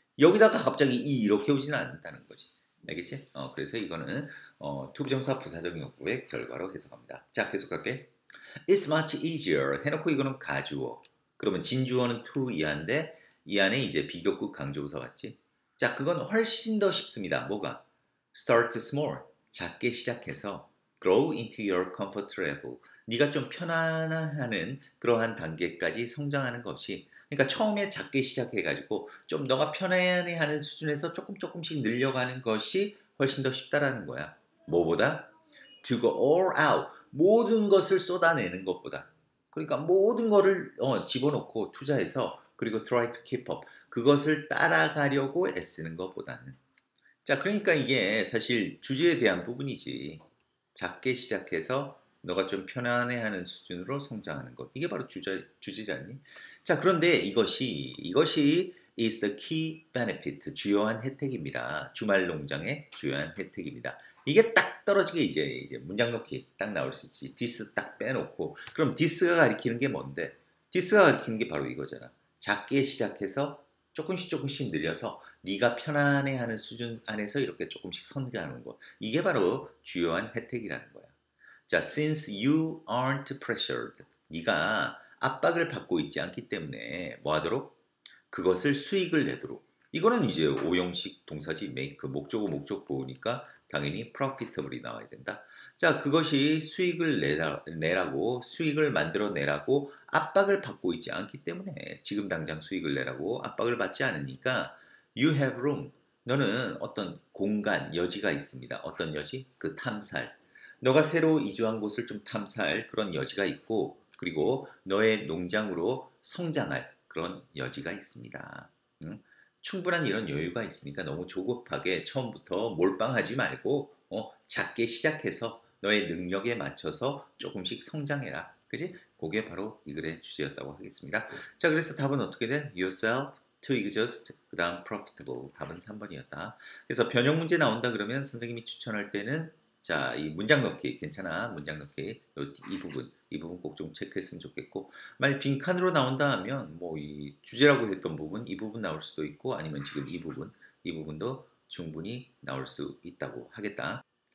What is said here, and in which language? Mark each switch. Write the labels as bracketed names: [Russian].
[Korean] 여기다가 갑자기 E 이렇게 오지는 않는다는 거지. 알겠지? 그래서 이거는 투부정사 부사적 용법의 결과로 해석합니다. 자, 계속 갈게. [English] It's much easier. [Korean] 해놓고 이거는 가주어. 그러면 진주어는 to 이하인데 이 안에 이제 비교급 강조부사 왔지? 자, 그건 훨씬 더 쉽습니다. 뭐가? [English] Start small. [Korean] 작게 시작해서 [English] Grow into your comfort level. [Korean] 네가 좀 편안하는 그러한 단계까지 성장하는 것이 그러니까 처음에 작게 시작해가지고 좀 너가 편안해하는 수준에서 조금 조금씩 늘려가는 것이 훨씬 더 쉽다라는 거야. 뭐보다? [English] To go all out. [Korean] 모든 것을 쏟아내는 것보다. 그러니까 모든 것을 집어넣고 투자해서 그리고 [English] try to keep up. [Korean] 그것을 따라가려고 애쓰는 것보다는. 자, 그러니까 이게 사실 주제에 대한 부분이지. 작게 시작해서 너가 좀 편안해하는 수준으로 성장하는 것. 이게 바로 주제잖니. 자, 그런데 이것이 [English] is the key benefit. [Korean] 주요한 혜택입니다. 주말 농장의 주요한 혜택입니다. 이게 딱 떨어지게 이제 문장 넣기 딱 나올 수 있지. this 딱 빼놓고. 그럼 this가 가리키는 게 뭔데? this가 가리키는 게 바로 이거잖아. 작게 시작해서 조금씩 늘려서 네가 편안해하는 수준 안에서 이렇게 조금씩 성장하는 것. 이게 바로 주요한 혜택이라는 거야. 자, [English] since you aren't pressured. [Korean] 네가 압박을 받고 있지 않기 때문에 뭐하도록? 그것을 수익을 내도록. 이거는 이제 오형식 동사지 make. 목적어 목적 보니까 당연히 profitable이 나와야 된다. 자, 그것이 수익을 내라고, 수익을 만들어 내라고 압박을 받고 있지 않기 때문에 지금 당장 수익을 내라고 압박을 받지 않으니까, [English] you have room. [Korean] 너는 어떤 공간, 여지가 있습니다. 어떤 여지? 그 탐살. 너가 새로 이주한 곳을 좀 탐살 그런 여지가 있고, 그리고 너의 농장으로 성장할 그런 여지가 있습니다. 응? 충분한 이런 여유가 있으니까 너무 조급하게 처음부터 몰빵하지 말고, 작게 시작해서 너의 능력에 맞춰서 조금씩 성장해라. 그지? 그게 바로 이 글의 주제였다고 하겠습니다. 자, 그래서 답은 어떻게 돼? [English] Yourself to exist, [Korean] 그 다음 [English] profitable. [Korean] 답은 3번이었다. 그래서 변형 문제 나온다 그러면 선생님이 추천할 때는, 자, 이 문장 넣기, 괜찮아. 문장 넣기. 이 부분 꼭좀 체크했으면 좋겠고. 만약 빈칸으로 나온다 하면, 뭐, 이 주제라고 했던 부분, 이 부분 나올 수도 있고, 아니면 지금 이 부분도 충분히 나올 수 있다고 하겠다.